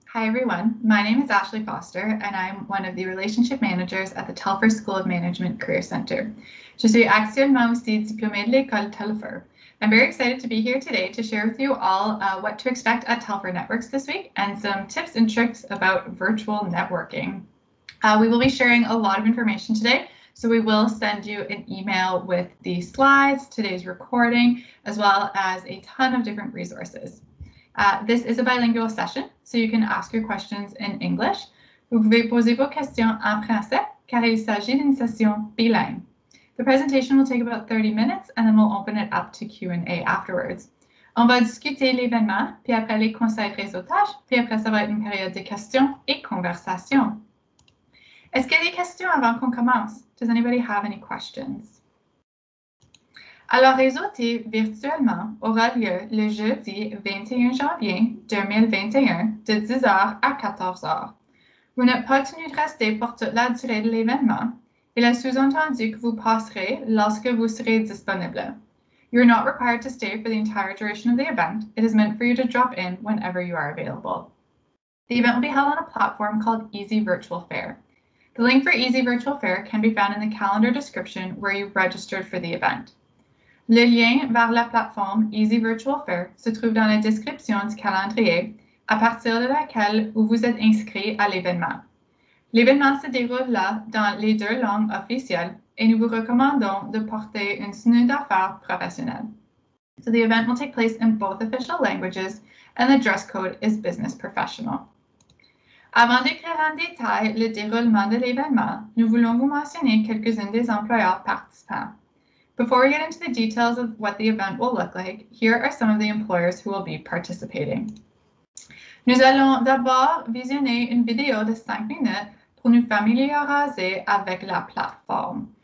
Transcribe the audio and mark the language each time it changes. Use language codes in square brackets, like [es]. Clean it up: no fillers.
[en] Hi everyone, my name is Ashley Foster and I'm one of the relationship managers at the Telfer School of Management Career Center. [fr] Je suis actuellement aussi diplômée de l'école Telfer. [en] I'm very excited to be here today to share with you all what to expect at Telfer Networks this week and some tips and tricks about virtual networking. We will be sharing a lot of information today, so we will send you an email with the slides, today's recording, as well as a ton of different resources. This is a bilingual session, so you can ask your questions in English. [fr] Vous pouvez poser vos questions en français, car il s'agit d'une session bilingue. [en] The presentation will take about 30 minutes, and then we'll open it up to Q&A afterwards. [fr] On va discuter l'événement, puis après les conseils de réseautage, puis après ça va être une période de questions et conversations. Est-ce qu'il y a des questions avant qu'on commence? [en] Does anybody have any questions? [fr] Alors, réseauté virtuellement aura lieu le jeudi 21 janvier 2021 de 10h à 14h. Vous n'êtes pas tenu de rester pour toute la durée de l'événement. Il est sous-entendu que vous passerez lorsque vous serez disponible. [en] You are not required to stay for the entire duration of the event. It is meant for you to drop in whenever you are available. The event will be held on a platform called Easy Virtual Fair. The link for Easy Virtual Fair can be found in the calendar description where you registered for the event. [fr] Le lien vers la plateforme Easy Virtual Fair se trouve dans la description du calendrier à partir de laquelle vous êtes inscrit à l'événement. L'événement se déroulera dans les deux langues officielles et nous vous recommandons de porter une tenue d'affaires professionnelle. [en] So the event will take place in both official languages and the dress code is business professional. [fr] Avant d'écrire en détail le déroulement de l'événement, nous voulons vous mentionner quelques-uns des employeurs participants. [en] Before we get into the details of what the event will look like, here are some of the employers who will be participating. [fr] Nous allons d'abord visionner une vidéo de 5 minutes pour nous familiariser avec la plateforme.